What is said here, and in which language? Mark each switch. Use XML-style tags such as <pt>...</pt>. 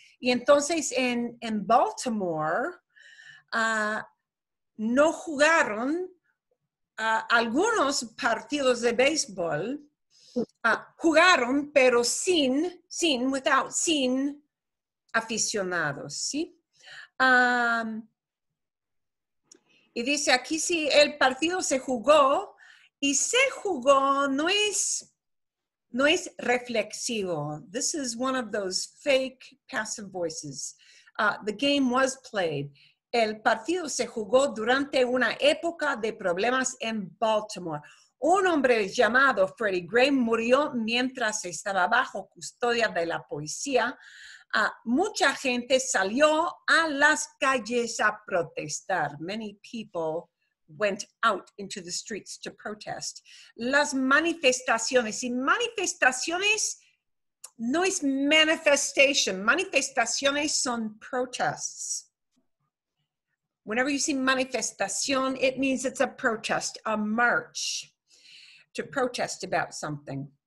<es>Y entonces en Baltimore, no jugaron algunos partidos de béisbol, jugaron, pero sin aficionados, ¿sí? Y dice aquí, sí, el partido se jugó, no es reflexivo.</es> <en>This is one of those fake passive voices. The game was played.</en> <es>El partido se jugó durante una época de problemas en Baltimore. Un hombre llamado Freddie Gray murió mientras estaba bajo custodia de la policía. Mucha gente salió a las calles a protestar.</es> <en>Many people went out into the streets to protest.</en> <es>Las manifestaciones. Y manifestaciones no es manifestation. Manifestaciones son protests.</es> <en>Whenever you see manifestación, it means it's a protest, a march, to protest about something.</en>